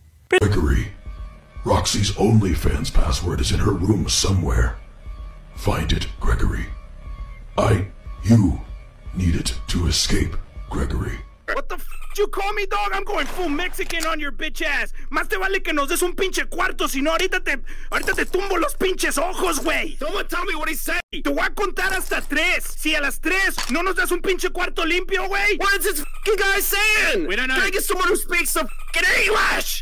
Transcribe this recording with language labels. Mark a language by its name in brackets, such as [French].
[English] Gregory, Roxy's OnlyFans password is in her room somewhere. Find it, Gregory. You need it to escape, Gregory. What the f- You call me dog? I'm going full Mexican on your bitch ass. [Spanish] Más te vale que nos des un pinche cuarto, si no ahorita te tumbo los pinches ojos, güey. [English] Someone tell me what he said. [Spanish] Te voy a contar hasta tres. Si a las tres no nos das un pinche cuarto limpio, güey. [English] What is this fucking guy saying? We don't know. Can I get someone who speaks some English?